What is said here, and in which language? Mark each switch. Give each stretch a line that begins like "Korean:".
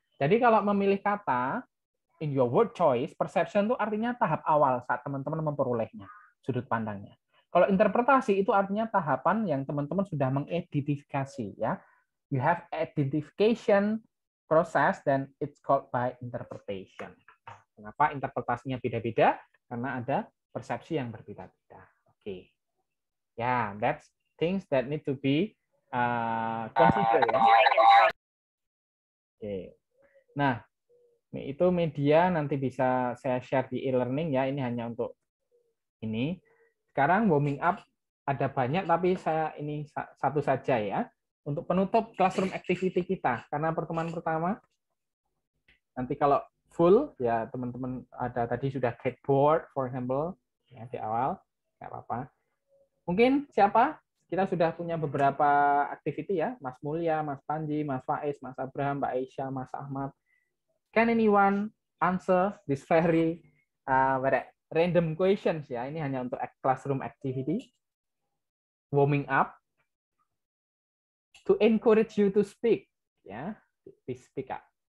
Indonesian: Jadi kalau memilih kata,
English: in your word choice,
Indonesian: perception itu artinya tahap awal saat teman-teman memperolehnya, sudut pandangnya. Kalau interpretasi itu artinya tahapan yang teman-teman sudah mengidentifikasi, ya.
English: You have identification process, then it's called by interpretation.
Indonesian: Kenapa interpretasinya beda-beda? Karena ada persepsi yang berbeda-beda. Oke. Okay.
English: Ya, yeah, that's things that need to be considered.
Indonesian: Ya. Okay. Nah, itu media nanti bisa saya share di e-learning, ya. Ini hanya untuk ini. Sekarang warming up ada banyak, tapi saya ini satu saja, ya. Untuk penutup classroom activity kita, karena pertemuan pertama. Nanti kalau full, ya, teman-teman ada tadi sudah
English: get bored, for example,
Indonesian: ya, di awal, nggak apa-apa. Mungkin siapa? Kita sudah punya beberapa activity, ya. Mas Mulia, Mas Panji, Mas Faiz, Mas Abraham, Mbak Aisyah, Mas Ahmad.
English: Can anyone answer this very random questions, ya?
Indonesian: Ini hanya untuk classroom activity. Warming up.
English: To encourage you to speak. Ya, please speak up.